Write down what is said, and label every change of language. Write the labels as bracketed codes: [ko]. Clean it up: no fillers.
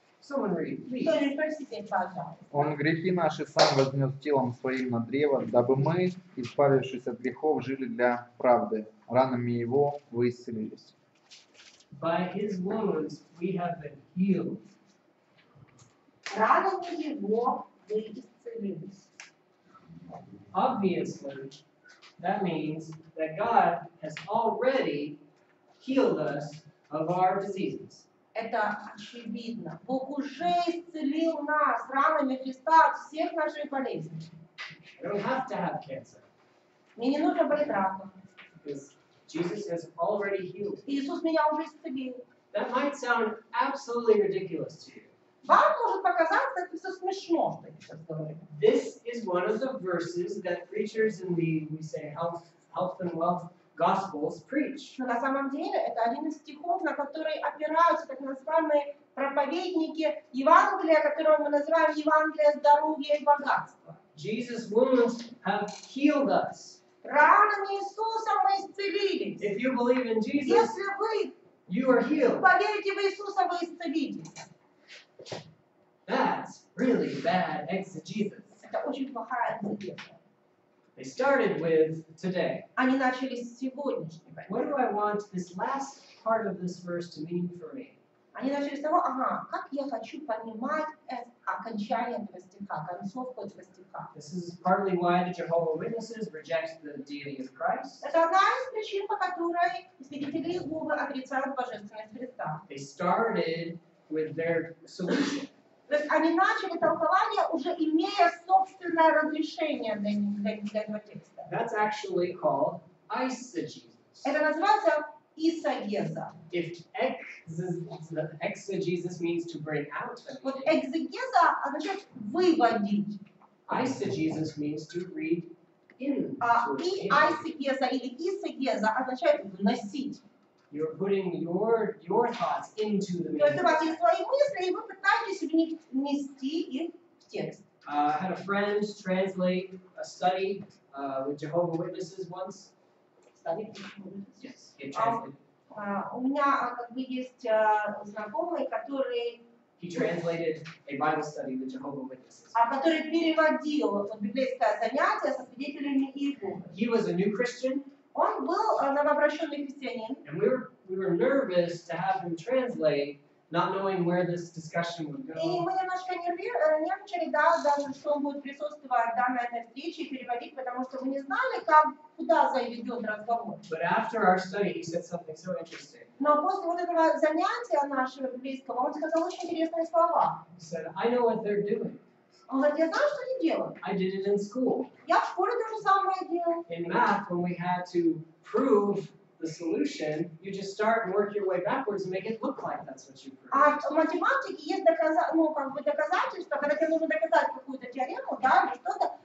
[ru] Он грехи наши сам вознес телом своим на древо, дабы мы, избавившись от грехов, жили для правды. Ранами его вы исцелились. [en] By his wounds we have been healed. [ru] Ранами его вы исцелились. [en] Obviously, that means that God has already healed us of our diseases. [ru] Это очевидно. Бог уже исцелил нас ранами Христа от всех наших болезней. [en] I don't have to have cancer. [ru] Мне не нужно болеть раком. [en] Because Jesus has already healed. [ru] Иисус меня уже исцелил. [en] That might sound absolutely ridiculous to you. [ru] Вам может показаться это все смешно, что я сейчас говорю. [en] This is one of the verses that preachers in the, we say, health and wealth Gospels preach. [ru] Но на самом деле это один из стихов, на который опираются так называемые проповедники Евангелия, которого мы называем Евангелие здоровья и богатства. [en] Jesus' wounds have healed us. [ru] Ранами Иисуса мы исцелились. [en] If you believe in Jesus, [ru] если вы [en] you are healed. [ru] Поверите в Иисуса, вы исцелитесь. [en] That's really bad exegesis. [ru] Это очень плохая экзегеза. [en] They started with today. [ru] Они начали с сегодняшнего. [en] What do I want this last part of this verse to mean for me? [ru] Они начали с того, ага, как я хочу понимать окончание этого стиха, концовку этого стиха. [en] This is partly why the Jehovah Witnesses reject the deity of Christ. [ru] Это одна из причин, по которой свидетели Иеговы отрицают божественность Христа. [en] They started with their solution. [ru] То есть они начали толкование, уже имея собственное разрешение для этого текста. [en] That's actually called eisegesis. [ru] Это называется эйсегеза. [en] If exegesis means to bring out. [ru] Вот экзегеза означает выводить. [en] Eisegesis means to read [ru] Исегеза или исегеза означает вносить. [en] You're putting your thoughts into the meaning. [ru] То есть у вас есть свои мысли, и вы пытаетесь внести их в текст. [en] I had a friend translate a study with Jehovah's Witnesses once. Study? Yes, he translated. [ru] У меня как бы есть знакомый, который. [en] He translated a Bible study with Jehovah's Witnesses. [ru] А который переводил вот библейское занятие со свидетелями Иеговы. [en] He was a new Christian. [ru] Он был новообращенный христианин. [en] And we were nervous to have him translate, not knowing where this discussion would go. [ru] И мы немножко нервничали, да, даже что он будет присутствовать да, на этой встрече и переводить, потому что мы не знали, как, куда заведет разговор. [en] But after our study, he said something so interesting. [ru] Но после вот этого занятия нашего библейского, он сказал очень интересные слова. [en] He said, I know what they're doing. [ru] Он говорит, я знаю, что они делают. [en] I did it in school. [ru] Я в школе то же самое делал. [en] In math, when we had to prove the solution, you just start and work your way backwards and make it look like that's what you proved. [ru] А в математике есть доказательство, когда тебе нужно доказать какую-то теорему, да, или что-то.